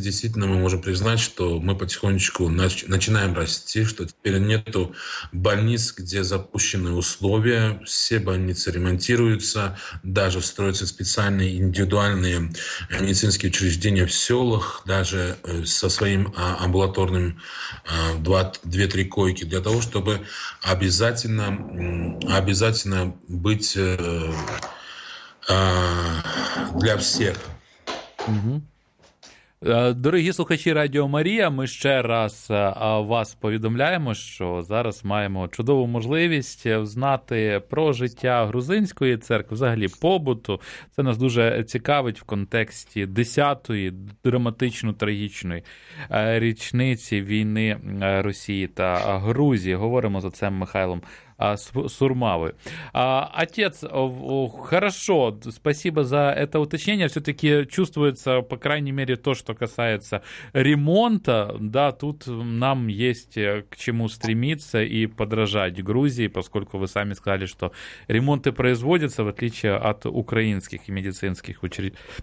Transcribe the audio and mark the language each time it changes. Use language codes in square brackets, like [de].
[ru] Действительно, мы можем признать, что мы потихонечку начинаем расти, что теперь нету больниц, где запущены условия, все больницы ремонтируются, даже строятся специальные индивидуальные медицинские учреждения в селах, даже со своим амбулаторным 2-3 койки, для того, чтобы обязательно быть для всех. [uk] Дорогі слухачі Радіо Марія, ми ще раз вас повідомляємо, що зараз маємо чудову можливість знати про життя грузинської церкви, взагалі побуту. Це нас дуже цікавить в контексті 10-ї драматично-трагічної річниці війни Росії та Грузії. Говоримо за це Михайлом Сурмавы. [ru] Отец, хорошо, спасибо за это уточнение. Все-таки чувствуется, по крайней мере, то, что касается ремонта. Да, тут нам есть к чему стремиться и подражать Грузии, поскольку вы сами сказали, что ремонты производятся, в отличие от украинских и медицинских учреждений.